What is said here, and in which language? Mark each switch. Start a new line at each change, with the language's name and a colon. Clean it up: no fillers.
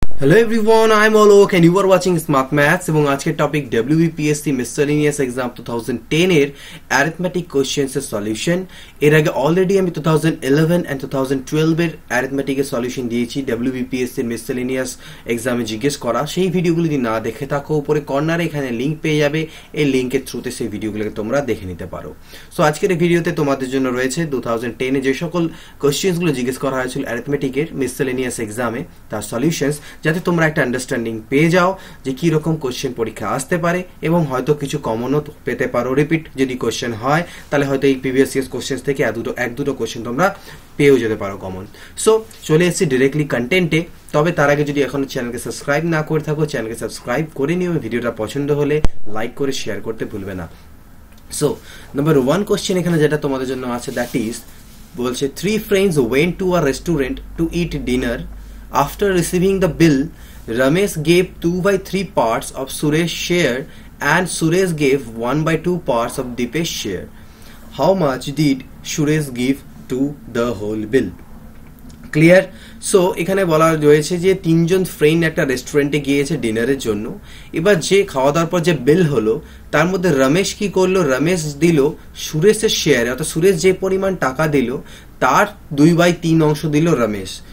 English: Hello everyone, I'm Alok and you are watching Smart Maths.
Bangla: এবং আজকের topic WBPSC Miscellaneous Exam 2010 এর arithmetic questions এর solution. এর আগে অলরেডি আমি 2011 এন্ড 2012 এর অ্যারিথমেটিক এর সলিউশন দিয়েছি WBPSC Miscellaneous এক্সামে জিজ্ঞেস করা। সেই ভিডিওগুলো যদি না দেখে থাকো, উপরে কর্নারে এখানে লিংক পেয়ে যাবে, এই লিংকের থ্রুতে সেই ভিডিওগুলোকে তোমরা দেখে নিতে পারো। সো আজকের এই ভিডিওতে তোমাদের জন্য রয়েছে 2010 এ যে সকল কোশ্চেনসগুলো জিজ্ঞেস করা হয়েছিল অ্যারিথমেটিক এর মিসেলেনিয়াস এক্সামে, তার সলিউশনস, যাতে তোমরা একটা আন্ডারস্ট্যান্ডিং পেয়ে যাও যে কি রকম কোশ্চেন পরীক্ষা আসতে পারে এবং হয়তো কিছু কমনও পেতে পারো। রিপিট যদি কোশ্চেন হয় তাহলে হয়তো এই প্রিভিয়াস ইয়ার কোশ্চেন থেকে এক দুটো কোশ্চেন তোমরা পেয়েও যেতে পারো কমন। সো চলে এসেছি ডিরেক্টলি কন্টেন্টে। তবে তার আগে যদি এখনো চ্যানেলকে সাবস্ক্রাইব না করে থাকো, চ্যানেলকে সাবস্ক্রাইব করে নিও। ভিডিওটা পছন্দ হলে লাইক করে শেয়ার করতে ভুলবে না। সো নাম্বার ওয়ান কোশ্চেন এখানে যেটা তোমাদের জন্য আছে, দ্যাট ইজ বলছে
English: Three friends went to a restaurant to eat dinner. After receiving the bill, Ramesh gave 2/3 parts of Suresh's share and Suresh gave 1/2 parts of Dipesh's share. How much did Suresh give to the whole bill?
Bangla: Clear? So এখানে বলা রয়েছে যে তিনজন friend একটা রেস্টুরেন্টে গিয়েছে ডিনারের জন্য। এবার যে খাওয়া দাওয়ার পর যে বিল হলো, তার মধ্যে রমেশ কি করলো, রমেশ দিল সুরেশের শেয়ার, অর্থাৎ সুরেশ যে পরিমাণ টাকা দিল তার 2/3 অংশ দিল রমেশ।